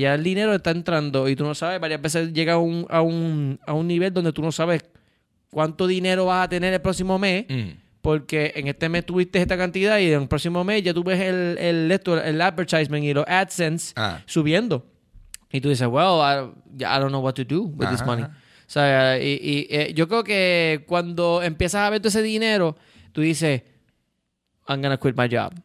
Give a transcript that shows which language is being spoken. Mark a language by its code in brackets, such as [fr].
[es] Ya el dinero está entrando y tú no sabes. Varias veces llega a un nivel donde tú no sabes cuánto dinero vas a tener el próximo mes. Porque en este mes tuviste esta cantidad y en el próximo mes ya tú ves el advertisement y los AdSense subiendo. Y tú dices, [en] well, I don't know what to do with this money. [es] O sea, y yo creo que cuando empiezas a ver todo ese dinero, tú dices, [en] I'm gonna quit my job.